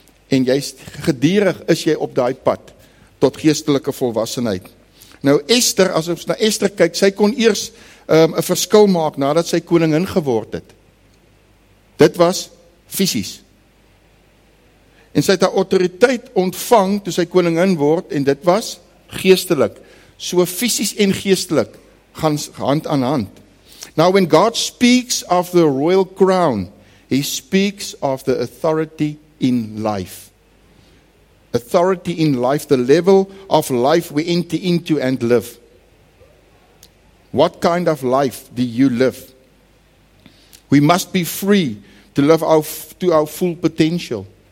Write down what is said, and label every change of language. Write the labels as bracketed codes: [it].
[af] En jy gedurig is jy op daai pad tot geestelike volwassenheid. Nou Esther, as ons na Esther kyk, sy kon eers 'n verskil maak nadat sy koningin geword het. Dit was fisies. En sy het haar autoriteit ontvang toe sy koningin word en dit was geestelik. So fisies en geestelik gaan hand aan hand. [en] Now when God speaks of the royal crown, he speaks of the authority in life. Authority in life, the level of life we enter into and live. What kind of life do you live? We must be free to live to our full potential.